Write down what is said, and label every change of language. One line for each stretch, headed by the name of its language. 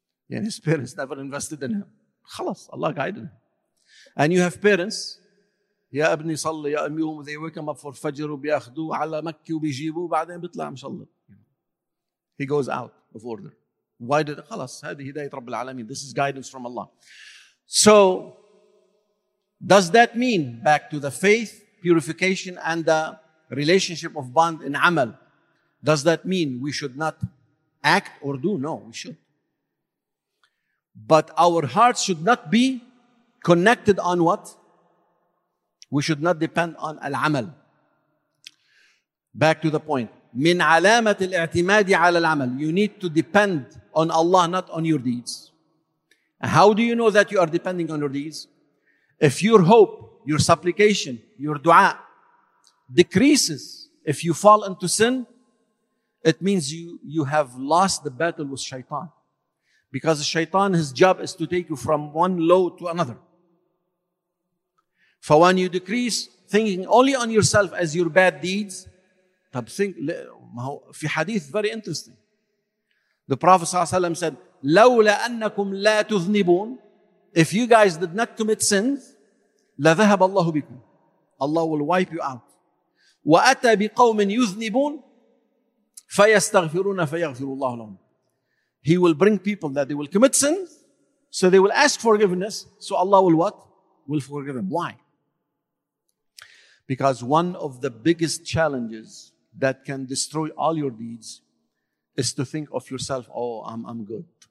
English: His parents never invested in him. Khalas, Allah guided him. And you have parents
Arabic: يا ابني صلي يا أمي.
English: They wake him up for Fajr
Arabic: وبيأخذوه على مكة وبيجيبوه بعدين بيطلع إن شاء الله.
English: He goes out of order. Why did
Arabic: خلاص هذه هداية رب العالمين.
English: This is guidance from Allah. So does that mean back to the faith, purification and the relationship of bond in amal? Does that mean we should not act or do? No, we should. But our hearts should not be connected on what? We should not depend on al-amal. Back to the point.
Arabic: من علامة الاعتماد على العمل.
English: You need to depend on Allah, not on your deeds. How do you know that you are depending on your deeds? If your hope, your supplication, your dua decreases, if you fall into sin, it means you have lost the battle with shaitan. Because shaitan, his job is to take you from one low to another. For when you decrease, thinking only on yourself as your bad deeds, think,
Arabic: في حديث
English: very interesting. The Prophet ﷺ said,
Arabic: لولا أنكم لا تذنبون,
English: if you guys did not commit sins,
Arabic: لذهب الله بكم.
English: Allah will wipe you out.
Arabic: وأتى بقوم يذنبون فيستغفرون فيغفر الله لهم.
English: He will bring people that they will commit sins, so they will ask forgiveness, so Allah will what? Will forgive them. Why? Because one of the biggest challenges that can destroy all your deeds is to think of yourself, oh, I'm good.